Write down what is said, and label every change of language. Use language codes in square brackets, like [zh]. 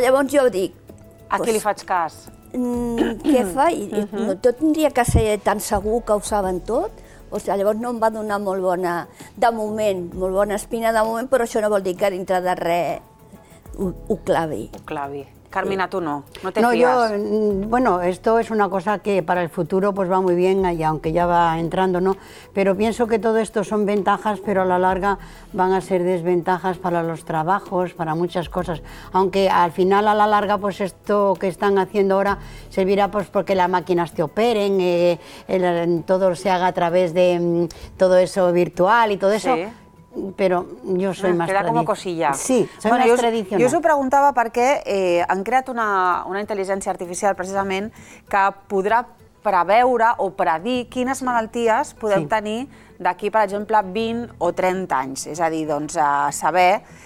[ca] Llavors jo dic... A qui li faig cas? Què faig? No, tot tindria que ser tan segur que ho saben tot. O sigui, llavors no em va donar molt bona, de moment, molt bona espina de moment, però això no vol dir que dintre de res ho clavi. Ho clavi. Carmina, tu no. No te fies. [es] Yo, bueno, esto es una cosa que para el futuro pues va muy bien, y aunque ya va entrando, ¿no? Pero pienso que todo esto son ventajas, pero a la larga van a ser desventajas para los trabajos, para muchas cosas. Aunque al final, a la larga, pues esto que están haciendo ahora servirá pues porque las máquinas te operen, todo se haga a través de todo eso virtual y todo eso. [ca] Sí. Però jo [es] soy más queda como cosilla. Sí, soy bueno, más tradicional. [ca] Jo us ho preguntava perquè han creat una intel·ligència artificial precisament que podrà preveure o predir quines malalties podem tenir d'aquí, per exemple, 20 o 30 anys. És a dir, doncs, a saber...